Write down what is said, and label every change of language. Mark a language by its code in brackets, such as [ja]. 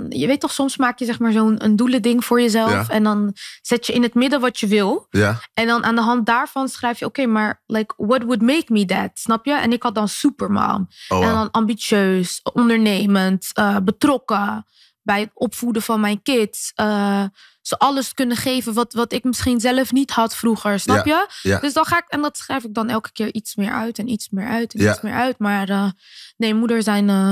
[nl] je weet toch, soms maak je zeg maar zo'n doelending voor jezelf. Ja. En dan zet je in het midden wat je wil. Ja. En dan aan de hand daarvan schrijf je... Oké, maar [en] like, what would make me that? [nl] Snap je? En ik had dan supermom. Oh, en dan ambitieus, ondernemend, betrokken. Bij het opvoeden van mijn kids. Ze alles kunnen geven wat ik misschien zelf niet had vroeger. Snap je? Ja. Dus dan ga ik... En dat schrijf ik dan elke keer iets meer uit. En iets meer uit. En iets meer uit. Maar moeder zijn...